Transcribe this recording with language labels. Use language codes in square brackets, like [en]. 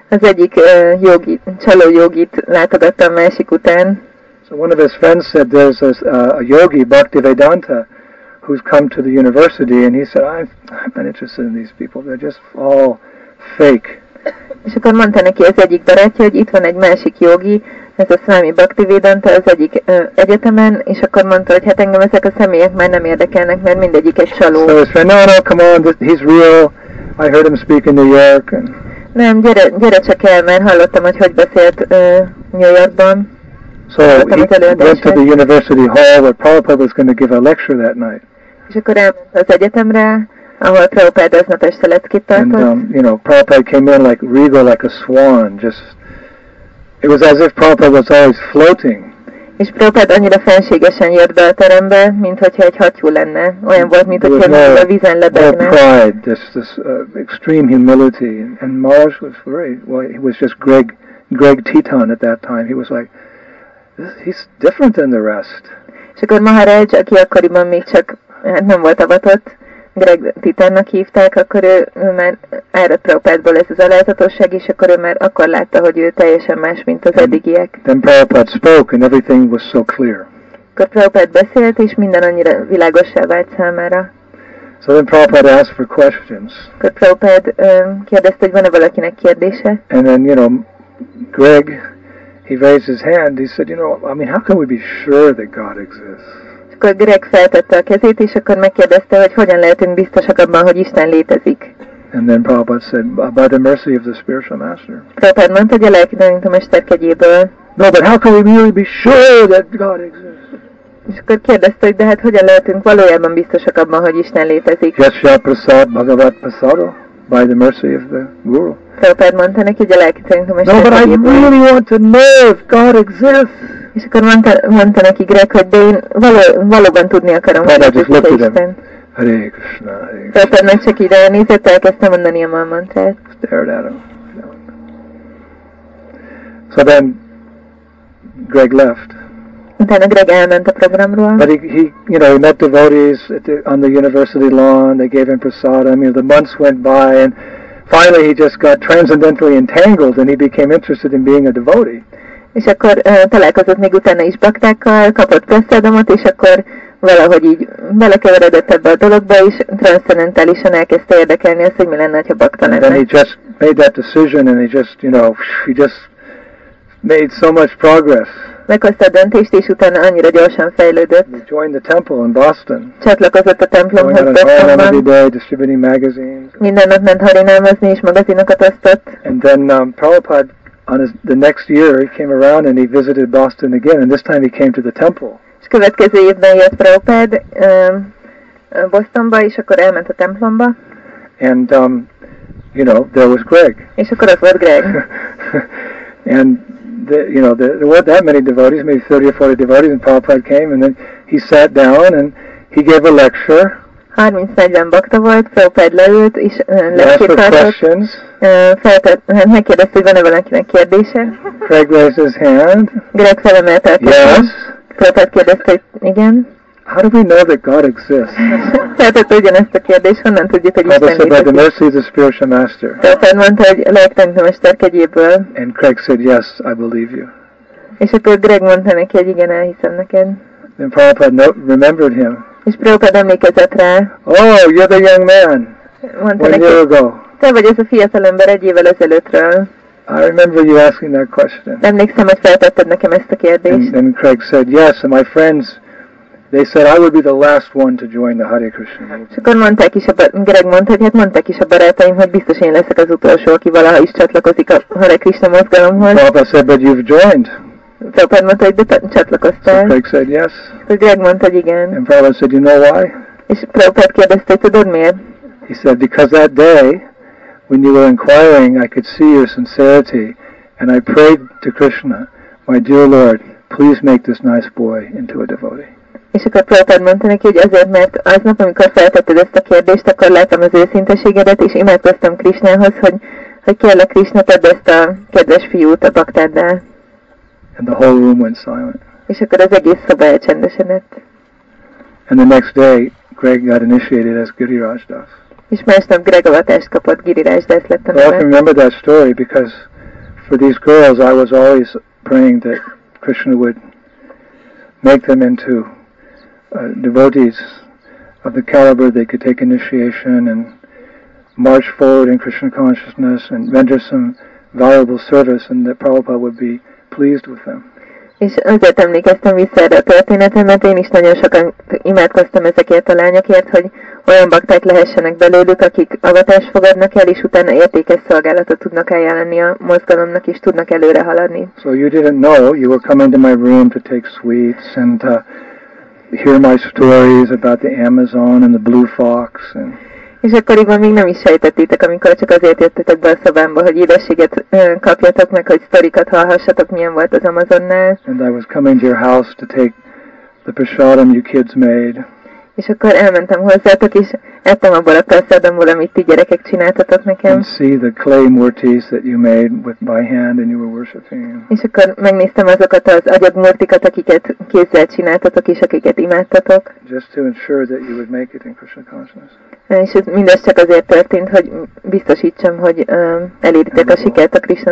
[hu] Az egyik jogi, csaló jogit látogatta a másik után. [en] So one of his friends said, there's a yogi, Bhaktivedanta, who's come to the university, and he said, I've been interested in these people, they're just all fake. [hu] És akkor mondta neki az egyik barátja, hogy itt van egy másik jogi, ez a Swami Bhaktivedanta az egyik egyetemen, és akkor mondta, hogy hát engem ezek a személyek már nem érdekelnek, mert mindegyik egy csaló. [en] So he said, no, come on, he's real, I heard him speak in New York. And [hu] nem, gyere csak el, mert hallottam, hogy hogy beszélt New Yorkban. [en] So he went to the university hall where Prabhupada was going to give a lecture that night. [hu] És akkor elment az egyetemre, ahol Prabhupada aznap este leckét tartott. [en] And, you know, Prabhupada came in like regal, like a swan, just, it was as if Prabhupada was always floating. [hu] És Prabhupada annyira fenségesen jött be a terembe, minthogyha egy hattyú lenne. Olyan volt, mintha a vízen lebegne. [en] More pride, this extreme humility. And Maharaj was very, well, he was just Greg Teton at that time. He was like, he's different than the rest. [hu] És akkor Maharaj, aki akkoriban még csak nem volt avatott, Greg Titánnak hívták, akkor ő már áradt Prabhupádból ez az alázatosság, és akkor ő már akkor látta, hogy ő teljesen más, mint az eddigiek. [en] Then Prabhupád spoke, and everything was so clear. [hu] Akkor Prabhupád beszélt, és minden annyira világossá vált számára. [en] So then Prabhupád asked for questions. [hu] Akkor Prabhupád kérdezte, hogy van-e valakinek kérdése. [en] And then, you know, Greg, he raised his hand, he said, you know, I mean, how can we be sure that God exists? [hu] Akkor Greg feltette a kezét, és akkor megkérdezte, hogy hogyan lehetünk biztosak abban, hogy Isten létezik. [en] And then Prabhupada said, by the mercy of the spiritual master. [hu] Prabhupada mondta, hogy a lelki tanító mester kegyéből. [en] No, but how can we really be sure that God exists? [hu] És akkor kérdezte, hogy de hát hogyan lehetünk valójában biztosak abban, hogy Isten létezik. [sa] Yasya prasad bhagavat prasado, [en] by the mercy of the guru. [hu] Prabhupada mondta neki, hogy a lelki tanító mester kegyéből. [en] No, but I really want to know if God exists. [hu] És akkor mondta neki Greg, hogy de én valóban tudni akarom, hogy az Isten. [sa] Hare Krishna, Hare Krishna. [hu] Tehát meg csak ide nézett, elkezdtem mondani a mantrát. [en] Stared at him. So then Greg left. [hu] Utána Greg elment a programról. [en] But he, you know, he met devotees on the university lawn, they gave him prasadam, you know, the months went by, and finally he just got transcendentally entangled, and he became interested in being a devotee. [hu] És akkor találkozott még utána is baktákkal, kapott prasadamot, és akkor valahogy így belekeveredett ebbe a dologba, és transzcendentálisan elkezdte érdekelni azt, hogy mi lenne, ha bakta lenne. [en] And then he just made that decision, and he just, you know, he just made so much progress. [hu] Meghozta a döntést, és utána annyira gyorsan fejlődött. [en] He joined the temple in Boston. [hu] Csatlakozott a templomhoz Bostonban. Minden nap ment harinámozni, és magazinokat osztott. [en] And then Prabhupada, on his, the next year, he came around and he visited Boston again, and this time he came to the temple. [hu] És következő évben jött Prabhupád Bostonba, és akkor elment a templomba. [en] And, you know, there was Greg. [hu] És akkor ott volt Greg. [en] And, the, you know, there weren't that many devotees, maybe 30 or 40 devotees, and Prabhupád came, and then he sat down, and he gave a lecture. [hu] 30-40 bakta volt, Prabhupád leült, és lecsét tartott. Megkérdezte, hogy van-e valakinek kérdése. [en] Greg raised his hand. [hu] Greg felemelte a kérdést. Prabhupád kérdezte, hogy igen. [en] How do we know that God exists? [hu] Feltette ugyanezt a kérdést, honnan tudjuk, hogy Isten létezik. [en] By the mercy of the spiritual master. [hu] Prabhupád mondta, hogy a lelkitanító mester kegyéből. [en] And Greg said, yes, I believe you. [hu] És akkor Greg mondta neki, hogy igen, elhiszem neked. [en] Then Prabhupád remembered him. [hu] És Prabhupád emlékezett rá. [en] Oh, you're the young man. [hu] Mondta [en] one [hu] neki, [en] year ago. [hu] Te vagy ez a fiatal ember egy évvel ezelőttről. [en] I remember you asking that question. [hu] Emlékszem, hogy feltetted nekem ezt a kérdést. [en] And Craig said, yes, and my friends, they said I would be the last one to join the Hare Krishna movement. [hu] És akkor mondták is, Greg mondta, hogy hát mondták is a barátaim, hogy biztos én leszek az utolsó, aki valaha is csatlakozik a Hare Krishna mozgalomhoz. [en] Papa said, but you've joined. [hu] Prabhupád mondta, hogy de csatlakoztál. [en] So Craig said, yes. [hu] És Greg mondta, hogy igen. [en] And Prabhupád said, you know why? [hu] És Prabhupád kérdezte, hogy tudod miért? [en] He said, because that day, when you were inquiring, I could see your sincerity, and I prayed to Krishna, my dear Lord, please make this nice boy into a devotee. [hu] És akkor próbáltad mondani neki, hogy azért, mert aznap, amikor feltetted ezt a kérdést, akkor láttam az őszinteségedet, és imádkoztam Krisnához, hogy kérlek, Krisna, tedd ezt a kedves fiút a baktáddal. [en] And the whole room went silent. [hu] És akkor az egész szoba elcsendesedett. [en] And the next day, Greg got initiated as Giri Rajdas. [hu] És másnap Greg avatást kapott, Giri Rajdas lett a neve. [en] I can remember that story because for these girls, I was always praying that Krishna would make them into devotees of the caliber they could take initiation and march forward in Krishna consciousness and render some valuable service, and that Prabhupada would be pleased with them. [hu] És azért emlékeztem vissza erre a történetemet, én is nagyon sokan imádkoztam ezekért a lányokért, hogy olyan bakták lehessenek belőlük, akik avatást fogadnak el, és utána értékes szolgálatot tudnak eljelenni a mozgalomnak, és tudnak előre haladni. [en] So you didn't know, you were coming to my room to take sweets and to hear my stories about the Amazon and the blue fox. And [hu] és akkoriban még nem is sejtettétek, amikor csak azért jöttetek be a szobámba, hogy édességet kapjatok meg, hogy sztorikat hallhassatok, milyen volt az Amazonnál. [en] And I was coming to your house to take the prasadam you kids made. [hu] És akkor elmentem hozzátok, és ettem abból a prasadamból, amit ti gyerekek csináltatok nekem. [en] And see the clay murtis that you made with by hand and you were worshiping. [hu] És akkor megnéztem azokat az agyag murtikat, akiket kézzel csináltatok, és akiket imádtatok. [en] Just to ensure that you would make it in Krishna consciousness. [hu] És ez mindez csak azért történt, hogy biztosítsam, hogy eléritek a sikert a Krishna